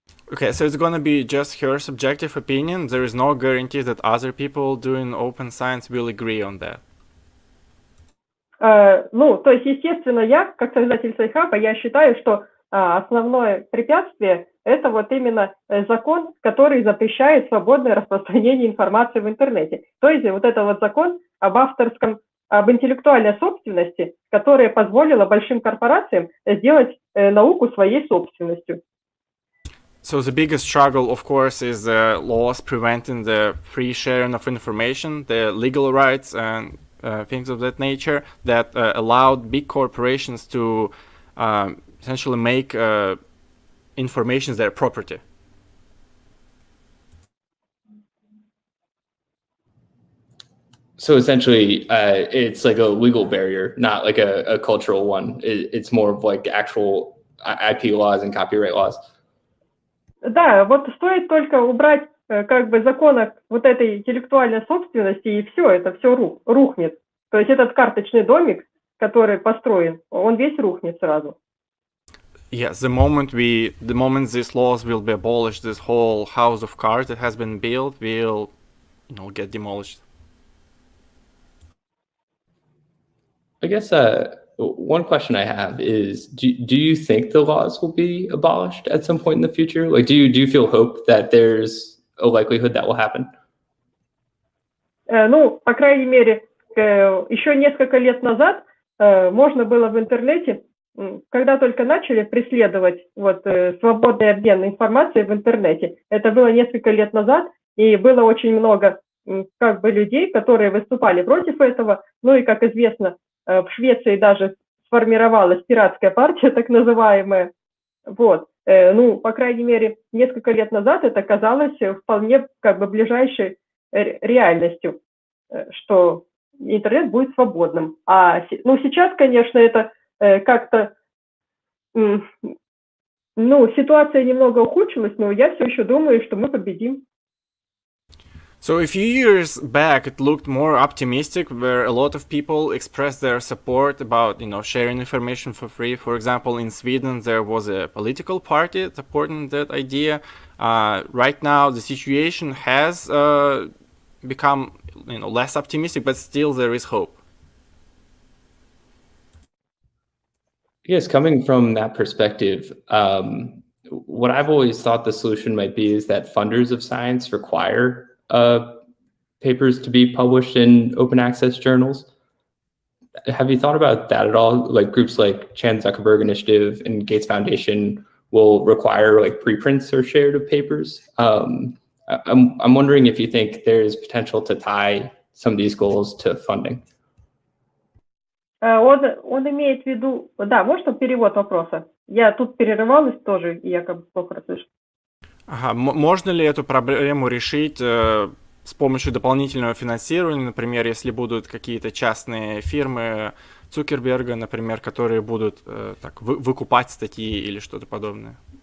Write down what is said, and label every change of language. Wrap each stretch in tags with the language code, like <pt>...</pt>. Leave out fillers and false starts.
<en>Okay, so it's going to be just her subjective opinion. There is no guarantee that other people doing open science will agree on that.</en> <ru>Ну, то есть, естественно, я, как создатель Sci-Hub, я считаю, что основное препятствие – это вот именно закон, который запрещает свободное распространение информации в интернете. То есть вот это вот закон об авторском, об интеллектуальной собственности, которая позволила большим корпорациям сделать науку своей собственностью.</ru> <en>So the biggest struggle, of course, is the laws preventing the free sharing of information, the legal rights and things of that nature that allowed big corporations to essentially make information their property. So essentially, it's like a legal barrier, not like a cultural one. It's more of like actual IP laws and copyright laws.</en> <ru>Да, вот стоит только убрать как бы закон вот этой интеллектуальной собственности, и все, это все рухнет. То есть этот карточный домик, который построен, он весь рухнет сразу.</ru> <en>Yes, the moment these laws will be abolished, this whole house of cards that has been built will, you know, get demolished. I guess one question I have is, do you think the laws will be abolished at some point in the future? Like, do you feel hope that there's a likelihood that will happen?</en> <ru>Ну, по крайней мере, еще несколько лет назад можно было в интернете, когда только начали преследовать вот свободный обмен информации в интернете, это было несколько лет назад, и было очень много как бы людей, которые выступали против этого. Ну и, как известно, в Швеции даже сформировалась пиратская партия, так называемая. Вот. Ну, по крайней мере, несколько лет назад это казалось вполне как бы ближайшей реальностью, что интернет будет свободным. А ну, сейчас, конечно, это как-то... Ну, ситуация немного ухудшилась, но я все еще думаю, что мы победим.</ru> <en>So a few years back, it looked more optimistic, where a lot of people expressed their support about, you know, sharing information for free. For example, in Sweden, there was a political party supporting that idea. Right now, the situation has become, you know, less optimistic, but still there is hope. Yes, coming from that perspective, what I've always thought the solution might be is that funders of science require papers to be published in open access journals. Have you thought about that at all? Like groups like Chan Zuckerberg Initiative and Gates Foundation will require like preprints or shared of papers. I'm wondering if you think there's potential to tie some of these goals to funding.</en> <ru>Он имеет в виду, да, можно перевод вопроса? Я тут перерывалась тоже, и я как бы плохо расслышал. Ага, можно ли эту проблему решить с помощью дополнительного финансирования, например, если будут какие-то частные фирмы Цукерберга, например, которые будут так выкупать статьи или что-то подобное?</ru>